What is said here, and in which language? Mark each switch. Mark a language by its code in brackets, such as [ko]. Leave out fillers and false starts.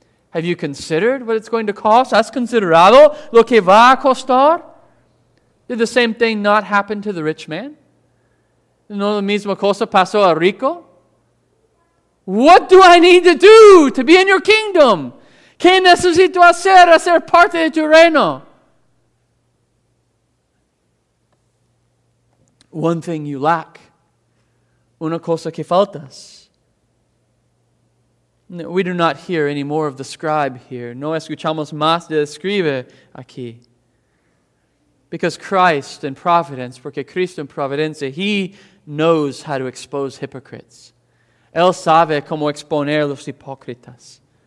[en] Have you considered what it's going to cost? [es] ¿Has considerado lo que va a costar? [en] Did the same thing not happen to the rich man? [es] ¿No la misma cosa pasó al rico? [en] What do I need to do to be in your kingdom? [es] ¿Qué necesito hacer para ser parte de tu reino? [en] One thing you lack. [es] Una cosa que faltas. [en] We do not hear any more of the scribe here. [es] No escuchamos más del escribe aquí. [en] Because Christ and Providence, [es] porque Cristo en Providencia, [en] He knows how to expose hypocrites. [es] Él sabe cómo exponer los hipócritas.